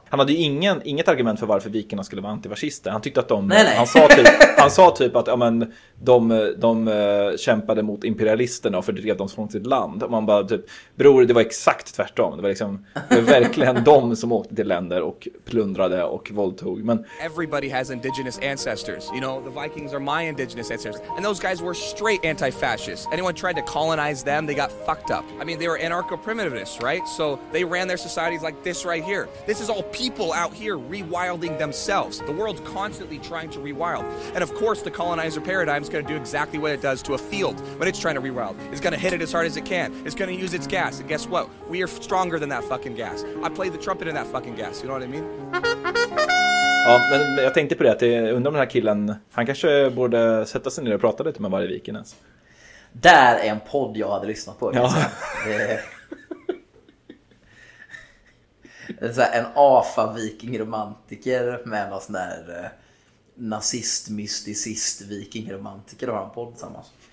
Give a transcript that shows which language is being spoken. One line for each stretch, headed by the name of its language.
Swedish: Han hade ju inget argument för varför vikingarna skulle vara antifascister. Han tyckte att de han sa typ att ja, men de kämpade mot imperialisterna och fördrev dem från sitt land. Och man bara typ, bror, det var exakt tvärtom. Det var liksom verkligen de som åkte till länder och plundrade och våldtog. Men
English: everybody has indigenous ancestors. You know, the Vikings are my indigenous ancestors. And those guys were straight anti-fascists. Anyone tried to colonize them, they got fucked up. I mean, they were anarcho-primitivists, right? So they ran their societies like this right here. This is all people out here rewilding themselves. The world's constantly trying to rewild. And of course, the colonizer paradigm is going to do exactly what it does to a field when it's trying to rewild. It's going to hit it as hard as it can. It's going to use its gas. And guess what? We are stronger than that fucking gas. I play the trumpet in that fucking gas. You know what I mean?
Swedish: Ja, men jag tänkte på det, att jag undrar om den här killen, han kanske borde sätta sig ner och prata lite med varje viken ens. Där är en podd jag hade lyssnat på. Ja. Det är så här, en afa-viking-romantiker med någon sån där nazist-mysticist-viking-romantiker har en podd tillsammans.